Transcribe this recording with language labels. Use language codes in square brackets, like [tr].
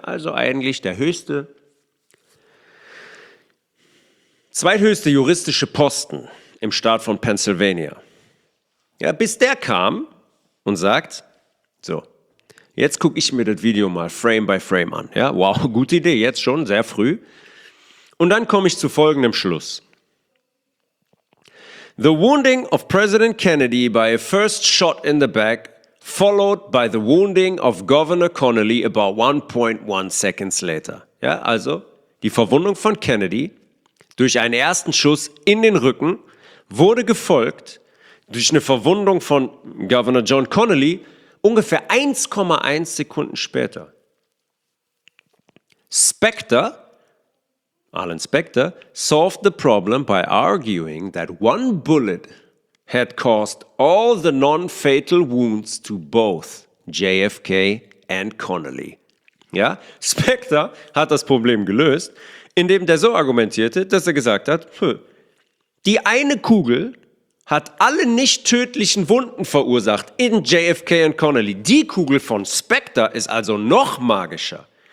[de] Also eigentlich der höchste, zweithöchste juristische Posten im Staat von Pennsylvania. Ja, bis der kam und sagt, so, jetzt gucke ich mir das Video mal [en] Frame by Frame [de] an. Ja, wow, gute Idee, jetzt schon, sehr früh. Und dann komme ich zu folgendem Schluss. [en] The wounding of President Kennedy by a first shot in the back, followed by the wounding of Governor Connally about 1.1 seconds later. [de] Ja, also die Verwundung von Kennedy durch einen ersten Schuss in den Rücken wurde gefolgt durch eine Verwundung von Governor John Connally ungefähr 1,1 Sekunden später. [en] Spector, Alan Spector, solved the problem by arguing that one bullet had caused all the non-fatal wounds to both JFK and Connally. [de] Ja, Spector hat das Problem gelöst, indem der so argumentierte, dass er gesagt hat, die eine Kugel hat alle nicht tödlichen Wunden verursacht in JFK und Connally. Die Kugel von Spector ist also noch magischer.